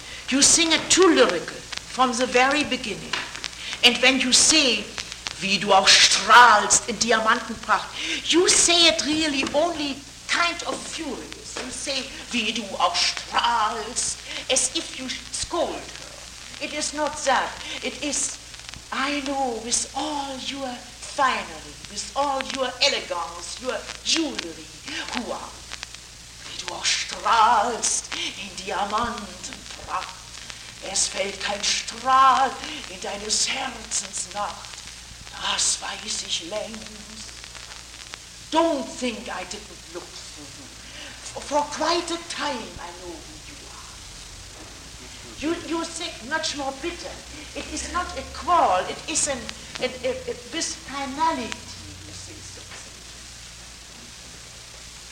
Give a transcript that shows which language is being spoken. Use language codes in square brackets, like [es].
[en] You sing it too lyrical. From the very beginning, and when you say, [de] wie du auch strahlst in Diamantenpracht, [en] you say it really only kind of furious. You say, [de] wie du auch strahlst, [en] as if you scold her. It is not that. It is, I know, with all your finery, with all your elegance, your jewelry, who are you? [de] Wie du auch strahlst in Diamantenpracht. Es fällt kein Strahl in deines Herzens Nacht. Das weiß ich längst. [en] Don't think I didn't look for you. For quite a time I know who you are. You think much more bitter. It is not a quarrel. It is a this finality, you say something.